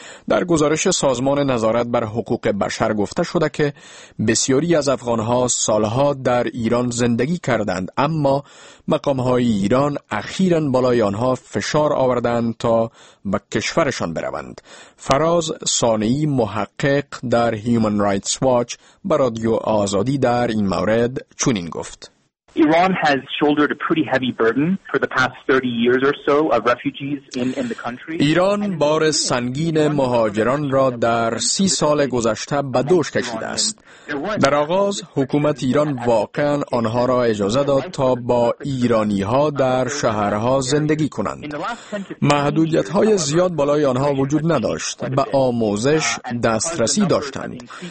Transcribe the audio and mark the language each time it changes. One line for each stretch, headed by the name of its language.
Persian: در گزارش سازمان نظارت بر حقوق بشر گفته شده که بسیاری از افغانها سالها در ایران زندگی کردند، اما مقامهای ایران اخیراً بالای آنها فشار آوردند تا به کشورشان بروند. فراز ثانی محقق در Human Rights Watch بر رادیو آزادی در این مورد چنین گفت:
English: Iran has shouldered a pretty heavy burden for the past 30 years or so of refugees in the country.
Persian: ایران بار سنگین مهاجران را در 30 سال گذشته به دوش کشیده است. در آغاز حکومت ایران واقعا آنها را اجازه داد تا با ایرانی ها در شهرها زندگی کنند. محدودیت های زیاد بالای آنها وجود نداشت. به آموزش دسترسی داشتند.